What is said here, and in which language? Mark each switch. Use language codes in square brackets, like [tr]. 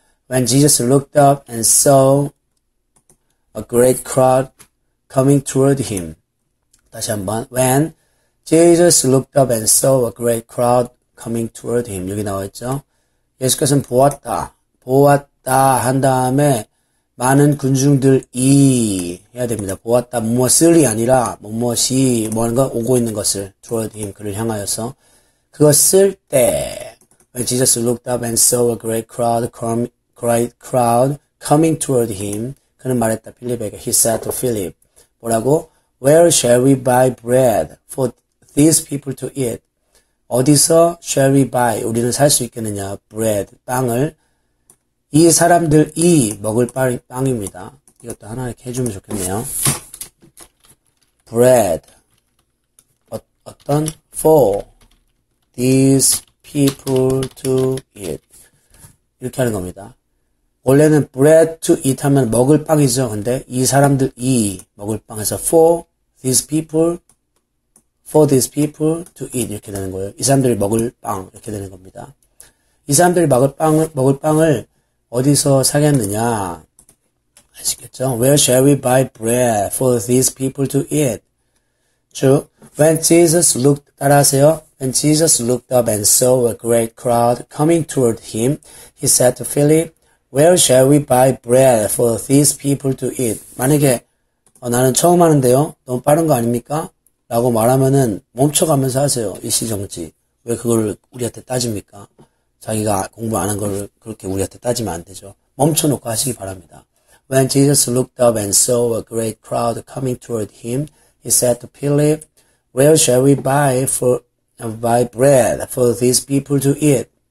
[en] When Jesus looked up and saw a great crowd coming toward him. [ko] 다시 한번. [en] When Jesus looked up and saw a great crowd coming toward him. [ko] 여기 나와있죠. 예수께서는 보았다. 보았다 한 다음에 많은 군중들이 해야 됩니다. 보았다. 무엇을이 아니라 무엇이 뭐하는가 오고 있는 것을 [en] toward him [ko] 그를 향하여서 그것을 때 [en] When Jesus looked up and saw a great crowd coming toward him. [ko] 그는 말했다. 필립에게. [en] He said to Philip. [ko] 뭐라고? [en] Where shall we buy bread for these people to eat? [ko] 어디서 [en] shall we buy? [ko] 우리는 살 수 있겠느냐? Bread, 빵을. 이 사람들이 먹을 빵입니다. 이것도 하나 이렇게 해주면 좋겠네요. [en] Bread. [ko] 어떤? [en] For these people to eat. [ko] 이렇게 하는 겁니다. 원래는 [en] bread to eat [ko] 하면 먹을 빵이죠. 근데 이 사람들이 먹을 빵에서 [en] for these people for these people to eat [ko] 이렇게 되는 거예요. 이 사람들이 먹을 빵 이렇게 되는 겁니다. 이 사람들이 먹을 빵을 어디서 사겠느냐? 아시겠죠? [en] Where shall we buy bread for these people to eat? 즉, when Jesus looked, [ko] 따라하세요. [en] When Jesus looked up and saw a great crowd coming toward him, he said to Philip, Where shall we buy bread for these people to eat? [ko] 만약에 나는 처음 하는데요. 너무 빠른 거 아닙니까? 라고 말하면은 멈춰가면서 하세요. 일시정지. 왜 그걸 우리한테 따집니까? 자기가 공부 안 한 걸 그렇게 우리한테 따지면 안 되죠. 멈춰놓고 하시기 바랍니다. [en] When Jesus looked up and saw a great crowd coming toward him, he said to Philip, Where shall we buy bread for these people to eat?